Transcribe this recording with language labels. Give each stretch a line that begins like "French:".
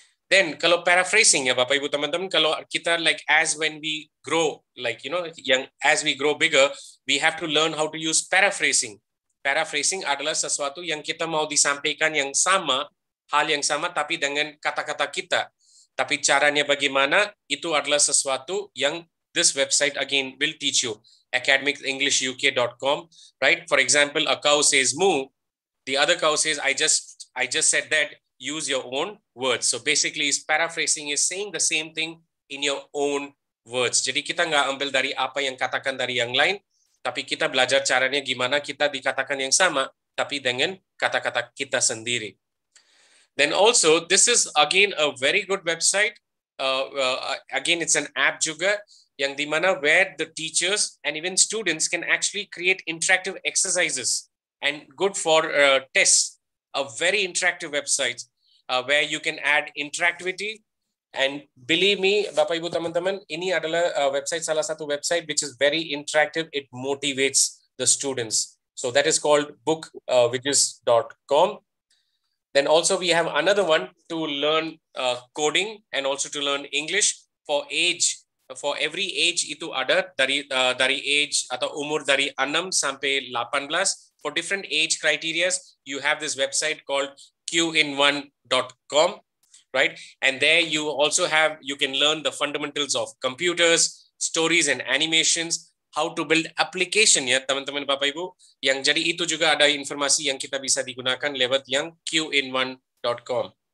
English: Then kalau paraphrasing ya Bapak Ibu teman-teman,
Indonesian: kalau kita
English: like as when we grow, like you know, yang as we grow bigger, we have to learn how to use paraphrasing.
Indonesian: Paraphrasing adalah sesuatu yang kita mau disampaikan yang sama, hal yang sama tapi dengan kata-kata kita. Tapi caranya bagaimana, itu adalah sesuatu yang
English: this website again will teach you,
Indonesian: academicenglishuk.com, right?
English: For example, a cow says moo, the other cow says I just said that, use your own words. So basically is paraphrasing, is saying the same thing in your own words.
Indonesian: Jadi kita nggak ambil dari apa yang katakan dari yang lain, tapi kita belajar caranya gimana kita dikatakan yang sama tapi dengan kata-kata kita sendiri.
English: Then also this is again a very good website, again it's an app
Indonesian: juga yang di mana
English: where the teachers and even students can actually create interactive exercises and good for tests. A very interactive website where you can add interactivity, and believe me Bapak Ibu teman-teman,
Indonesian: ini adalah website, salah satu website
English: which is very interactive, it motivates the students. So that is called bookwidgets.com. Then also we have another one to learn coding and also to learn English for age. For every age
Indonesian: itu ada dari age atau umur dari 6 sampai 18.
English: For different age criterias, you have this website called qin1.com, right? And there you also have, you can learn the fundamentals of computers, stories and animations, how to build application ya teman-teman Bapak Ibu.
Indonesian: Yang jadi itu juga ada informasi yang kita bisa digunakan lewat yang qin1.com.